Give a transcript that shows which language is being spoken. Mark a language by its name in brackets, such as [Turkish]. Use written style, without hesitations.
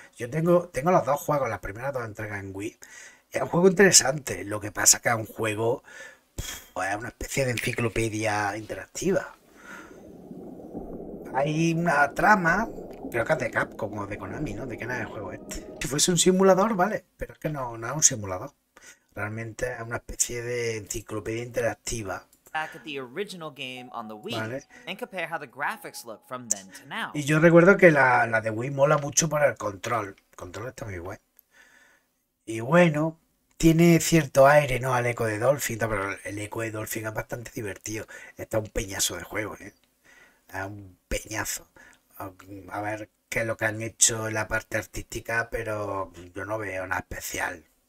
[Spanish] Yo tengo los dos juegos, las primeras dos entregas en Wii. Es un juego interesante, lo que pasa que es un juego, pues es una especie de enciclopedia interactiva. Hay una trama, creo que es de Capcom o de Konami, ¿no? ¿De qué nada es el juego este? Si fuese un simulador, vale, pero es que no es un simulador. Realmente es una especie de enciclopedia interactiva. [English] Back at the original game on the Wii [Spanish] ¿Vale? [English] and compare how the graphics look from then to now. [Spanish] Y yo recuerdo que la de Wii mola mucho por el control. El control está muy guay. Y bueno, tiene cierto aire, ¿no? Al Echo de Dolphin, pero el Echo de Dolphin es bastante divertido. Está un peñazo de juego, ¿eh? Es un peñazo. A ver qué es lo que han hecho en la parte artística, pero yo no veo nada especial.